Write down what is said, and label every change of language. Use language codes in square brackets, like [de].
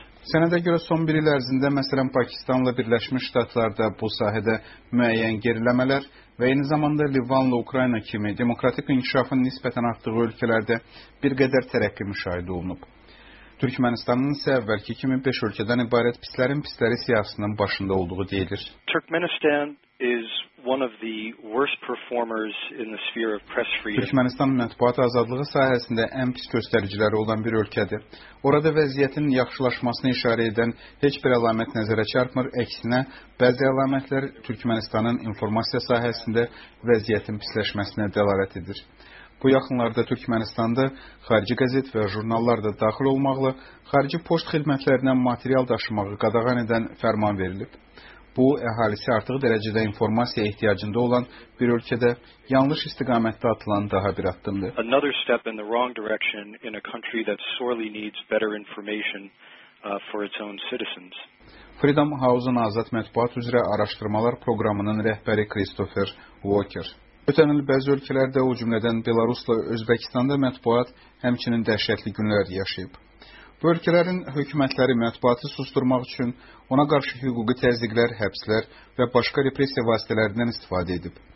[az] Sənədə görə son bir il ərzində, məsələn Pakistanla Birləşmiş Ştatlarda bu sahədə müəyyən geriləmələr və eyni zamanda Livanla Ukrayna kimi demokratik inkişafın nisbətən artdığı ölkələrdə bir qədər tərəqqi müşahidə olunub. Türkmenistanın isə əvvəlki kimi 5 ölkədən ibarət pislərin pisləri siyasının başında olduğu deyilir. [en] Türkmenistan is one of the worst performers in the sphere of press freedom. [az] Türkmenistan mətbuat azadlığı sahəsində ən pis göstəriciləri olan bir ölkədir. Orada vəziyyətin yaxşılaşmasını işarə edən heç bir əlamət nəzərə çarpmır, əksinə bəzi əlamətlər Türkmenistanın informasiya sahəsində vəziyyətin pisləşməsinə dəlalət edir. Bu yaxınlarda Türkmenistanda xarici qəzet və jurnallar da daxil olmaqla xarici poçt xidmətlərindən material daşımağı qadağan edən fərman verilib. Bu, əhalisi artıq dərəcədə informasiya ehtiyacında olan bir ölkədə yanlış istiqamətdə atılan daha bir addımdır. [en] Another step in the wrong direction in a country that sorely needs better information for its own citizens. [az] Freedom House-un azad mətbuat üzrə araşdırmalar proqramının rəhbəri Christopher Walker. Ötən il bəzi ölkələrdə, o cümlədən Belarusla Özbəkistanda mətbuat həmçinin dəhşətli günlər yaşayıb. Bu ölkələrin hökumətləri mətbuatı susturmaq üçün ona qarşı hüquqi təzyiqlər, həbslər və başqa repressiya vasitələrindən istifadə edib.